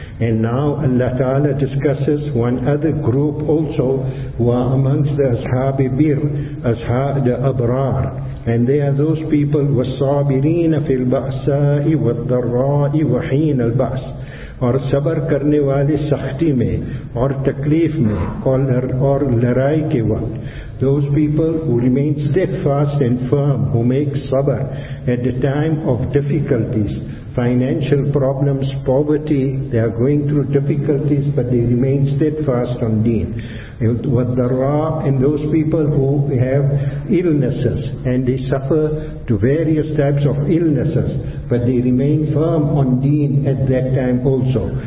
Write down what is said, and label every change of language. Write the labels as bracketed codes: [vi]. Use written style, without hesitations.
[en] And now Allah Ta'ala discusses one other group also who are amongst the Ashabi Bir, Ashab the Abrar. And they are those people, [ar] وَالصَّابِرِينَ فِي الْبَأْسَاءِ وَالضَّرَّاءِ وَحِينَ الْبَأْسِ. [ur] اور صبر کرنے والے سختی میں اور تکلیف میں اور لڑائی کے وقت. [en] Those people who remain steadfast and firm, who make sabr at the time of difficulties, financial problems, poverty, they are going through difficulties, but they remain steadfast on deen. And those people who have illnesses and they suffer to various types of illnesses, but they remain firm on deen at that time also.